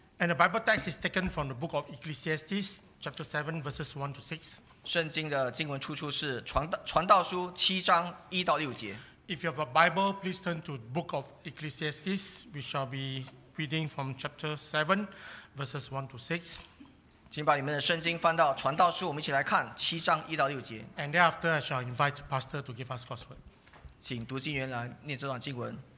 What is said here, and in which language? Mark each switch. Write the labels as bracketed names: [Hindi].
[English] And the Bible text is taken from the book of Ecclesiastes, chapter 7, verses 1 to 6. [Chinese] 圣经的经文出处是传道书七章一到六节。 [English] If you have a Bible, please turn to the book of Ecclesiastes. We shall be reading from chapter 7, verses 1 to 6. [Chinese] 请把你们的圣经翻到传道书，我们一起来看七章一到六节。 [English] And thereafter, I shall invite the pastor to give us God's word. [Chinese] 请读经员来念这段经文。